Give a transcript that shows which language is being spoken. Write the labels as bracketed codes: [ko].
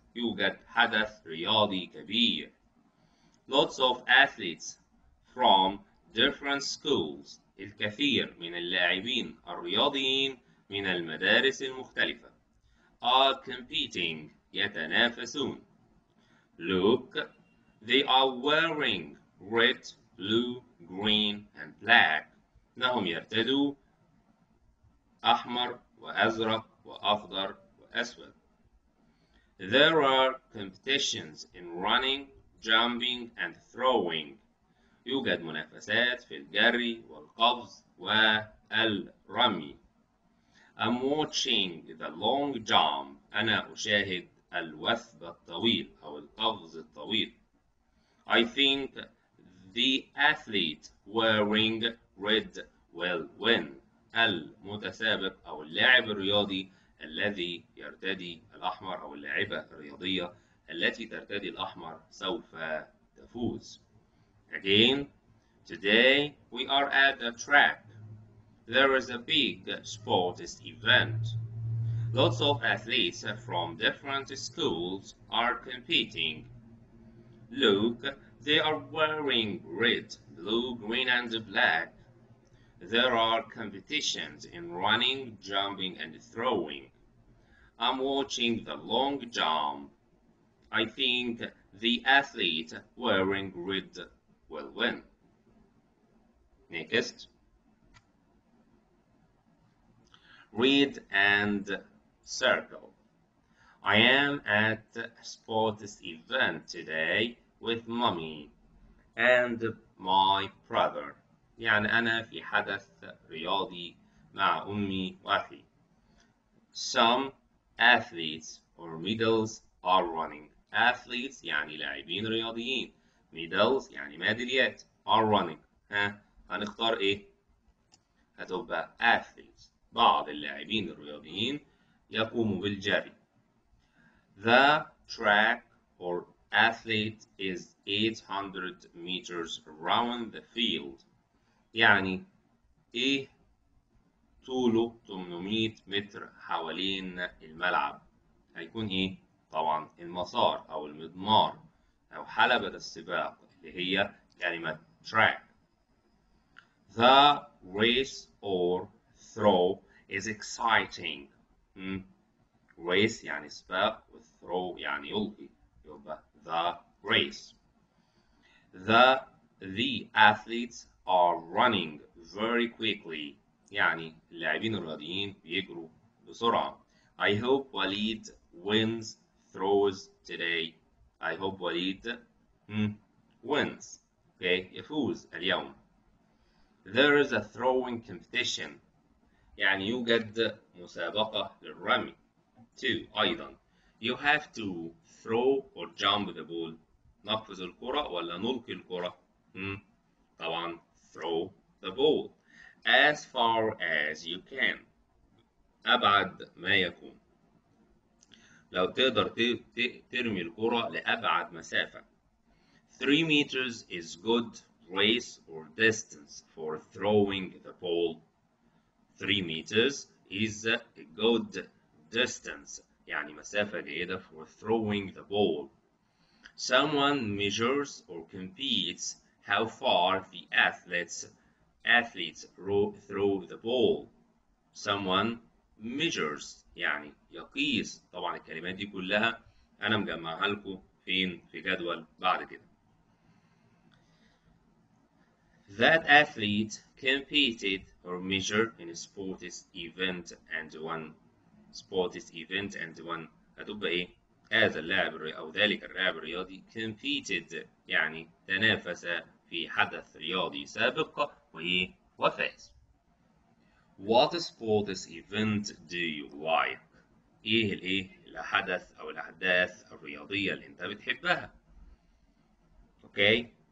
[ar] يوجد حدث رياضي كبير. [en] Lots of athletes from different schools. [ar] الكثير من اللاعبين الرياضيين من المدارس المختلفة. [en] Are competing. [ar] يتنافسون. [en] Look. They are wearing red, blue, green and black. [ar] إنهم يرتدوا أحمر وأزرق وأخضر وأسود. [en] There are competitions in running, jumping, and throwing. [ar] يوجد منافسات في الجري والقفز والرمي. [en] I'm watching the long jump. [ar] أنا أشاهد الوثب الطويل أو القفز الطويل. [en] I think the athlete wearing red will win. [ar] المتسابق أو اللاعب الرياضي الذي يرتدي الأحمر أو اللاعبة الرياضية التي ترتدي الأحمر سوف تفوز. [en] Again, today we are at the track. There is a big sports event. Lots of athletes from different schools are competing. Look, they are wearing red, blue, green and black. There are competitions in running, jumping and throwing. I'm watching the long jump. I think the athlete wearing red will win. Next. Read and circle. I am at a sports event today with mommy and my brother. [ar] يعني أنا في حدث رياضي مع أمي وأخي. [en] Some athletes or medals are running. [ar] Athletes يعني لاعبين رياضيين. Medals يعني ميداليات. [en] Are running. [ar] ها هنختار إيه؟ هتبقى athletes. بعض اللاعبين الرياضيين يقوموا بالجري. [en] The track or athlete is 800 meters around the field. [ar] يعني ايه طوله 800 متر حوالين الملعب؟ هيكون ايه؟ طبعا المسار او المضمار او حلبة السباق اللي هي كلمة track. [en] The race or throw is exciting. [ar] Race يعني سباق وthrow يعني يلقي يبقى the race. [en] The athletes are running very quickly. [ar] يعني اللاعبين الرياضيين بيجروا بسرعة. [en] I hope Waleed wins throws today. I hope Waleed wins. Okay, [ar] يفوز اليوم. [en] There is a throwing competition. [ar] يعني يوجد مسابقة للرمي. [en] Two, أيضا. You have to throw or jump the ball. [ar] نقفز الكرة ولا نلقي الكرة؟ طبعا. [en] Throw the ball as far as you can. [ar] أبعد ما يكون. لو تقدر ترمي الكرة لأبعد مسافة. [en] 3 meters is good race or distance for throwing the ball. 3 meters is a good distance. [ar] يعني مسافة جيدة [en] for throwing the ball. Someone measures or competes. How far the athletes throw the ball. Someone measures [ar] يعني يقيس. طبعا الكلمات دي كلها انا مجمعها لكم فين في جدول بعد كده. [en] That athlete competed or measured in a sports event and won. Sports event and won. [ar] هتبقى ايه؟ هذا اللاعب او ذلك اللاعب الرياضي competed يعني تنافس في حدث رياضي سابق وفاز. [en] What sports event do you like? [ar] ايه الايه الحدث او الاحداث الرياضية اللي انت بتحبها؟ اوكي.